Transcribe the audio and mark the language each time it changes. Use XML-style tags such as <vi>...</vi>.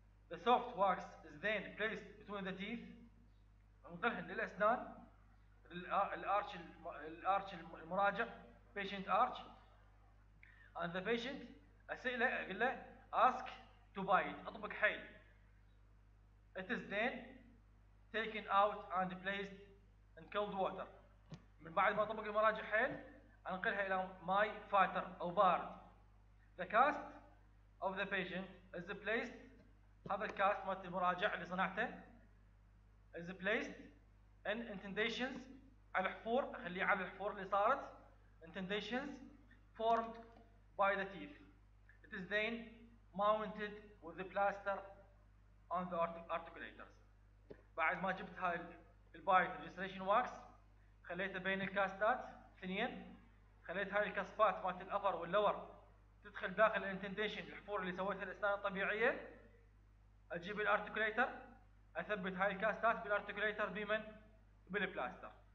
<en>The soft wax is then placed between the teeth.</en> <ar>ندهن للأسنان الأرش الأرش المراجع patient arch.</ar> <en>And the patient</en> <ar>أسأله أقول له</ar> <en>ask to bite</en> <ar>أطبق حيل.</ar> <en>It is then taken out and placed in cold water.</en> <ar>من بعد ما أطبق المراجع حيل أنقلها إلى ماي فاتر أو بارد.</ar> <en>The cast of the patient is placed.</en> <ar>هذا الكاست مالت المراجع اللي صنعته</ar> <en>is placed in intendations</en> <ar>على الحفور، خليه على الحفور اللي صارت</ar> <en>intendations formed by the teeth. It is then mounted with the plaster on the articulators.</en> <ar>بعد ما جبت هاي البايت registration wax خليته بين الكاستات اثنين، خليت هاي الكاسبات مالت الأبر واللور تدخل داخل الانتنديشن الحفور اللي سويتها الأسنان الطبيعية. أجيب الارتيكوليتر أثبت هاي الكاستات بالارتيكوليتر بمن؟ بالبلاستر.</ar>